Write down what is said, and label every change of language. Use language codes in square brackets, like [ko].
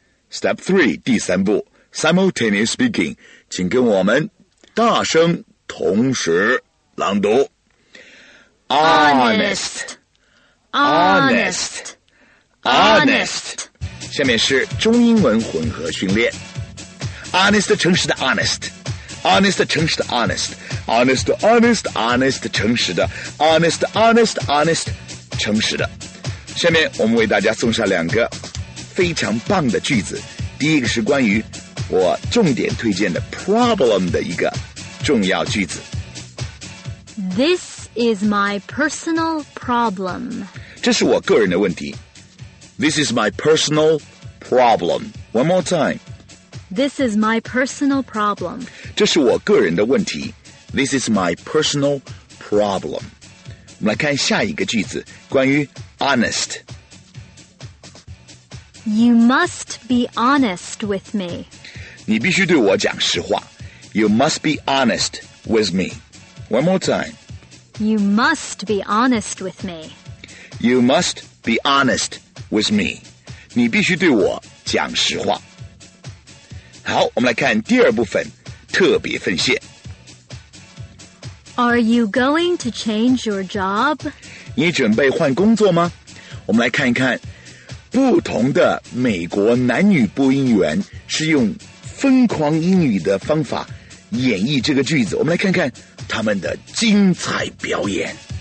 [en] Step 3 [zh] 第三步 [en] Simultaneous Speaking， [zh] 请跟我们大声同时朗读。 [en] Honest, honest. Honest. [zh] 下面是中英文混合训练。 [en] Honest, [zh] 诚实的 [en] honest. Honest, 诚实的 honest. Honest, honest, honest, [zh] 诚实的 [en] honest, honest, honest, 诚实的。 [zh] 下面我们为大家送上两个非常棒的句子。第一个是关于我重点推荐的 problem 的一个重要句子。 [en] This is my personal problem. [zh] 这是我个人的问题。 [en] This is my personal problem. One more time. This is my personal problem. [zh] 这是我个人的问题。 [en] This is my personal problem. [zh] 我们来看下一个句子，关于 honest. [en] You must be honest with me. [zh] 你必须对我讲实话。 [en] You must be honest with me. One more time. You must be honest with me. You must be honest with me. With me, [zh] 你必须对我讲实话。好，我们来看第二部分，特别奉献。 [en] Are you going to change your job? [zh] 你准备换工作吗？我们来看一看，不同的美国男女播音员是用疯狂英语的方法演绎这个句子。我们来看看他们的精彩表演。